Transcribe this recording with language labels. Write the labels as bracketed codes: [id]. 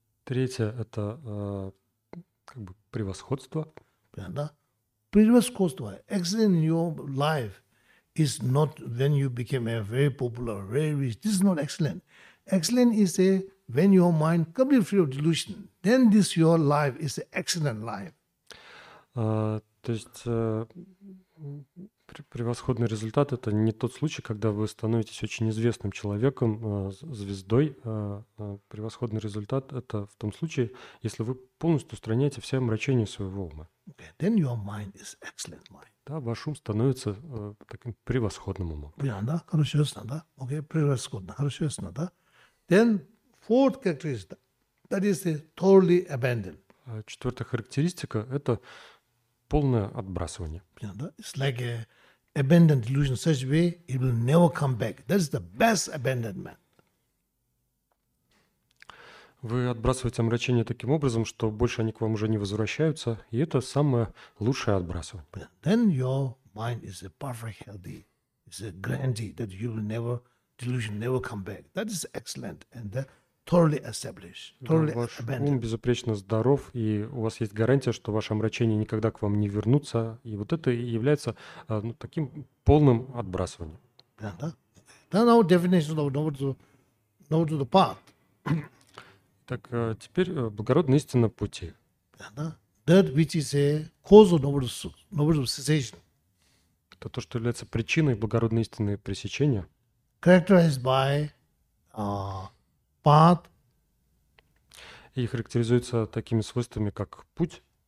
[ru] Третье – это как бы превосходство. Да. Превосходство. [en] Excellence in your life is not when you became a very popular, very rich. This is not excellent. Excellent is a when your mind completely free of delusion. Then this your life is an excellent life. [ru] То есть превосходный результат – это не тот случай, когда вы становитесь очень известным человеком, звездой. Превосходный результат – это в том случае, если вы полностью устраняете все омрачения своего ума. [en] Okay. Then your mind is excellent mind. [ru] Да, ваш ум становится таким превосходным умом. Понятно, да? Хорошо, ясно, да? Окей, превосходно, хорошо, ясно, да? [en] Then fourth characteristic, that is a totally abandoned. [ru] Четвертая характеристика – это полное отбрасывание. Понятно, да? [en] It's like a abandoned delusion in such a way, it will never come back. That's the best abandonment. [ru] Вы отбрасываете омрачение таким образом, что больше они к вам уже не возвращаются, и это самое лучшее отбрасывание. [en] But then your mind is a perfect healthy, it's a grandee that you will never, delusion never come back. That is excellent and that totally established, totally abandoned. [ru] Ум безупречно здоров, и у вас есть гарантия, что ваше омрачение никогда к вам не вернутся. И вот это и является таким полным отбрасыванием. [en] Then our definition of knowledge of the path. [ru] Так теперь благородная истина пути. [en] That which is a cause of knowledge of cessation. [ru] Это то, что является причиной благородной истины пресечения. [en] Characterized by path. [ru] И характеризуется такими свойствами, как путь.